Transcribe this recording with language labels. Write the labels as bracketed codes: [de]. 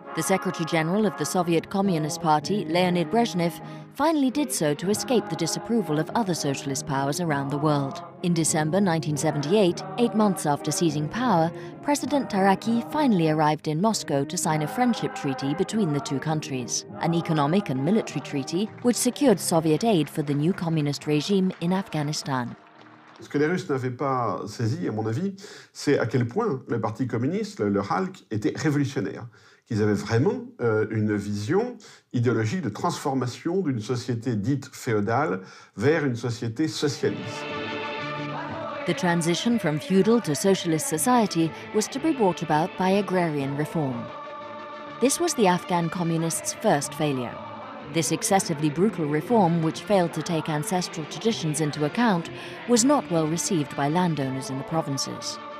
[en] The Secretary General of the Soviet Communist Party, Leonid Brezhnev, finally did so to escape the disapproval of other socialist powers around the world. In December 1978, 8 months after seizing power, President Taraki finally arrived in Moscow to sign a friendship treaty between the two countries, an economic and military treaty which secured Soviet aid for the new communist regime in Afghanistan. [fr] Ce que les Russes n'avaient pas saisi, à mon avis, c'est à quel point le Parti communiste, le HALC, était révolutionnaire. Qu'ils avaient vraiment une vision idéologique de transformation d'une société dite féodale vers une société socialiste. [en] The transition from feudal to socialist society was to be brought about by agrarian reform. This was the Afghan communists' first failure. This excessively brutal reform, which failed to take ancestral traditions into account, was not well received by landowners in the provinces.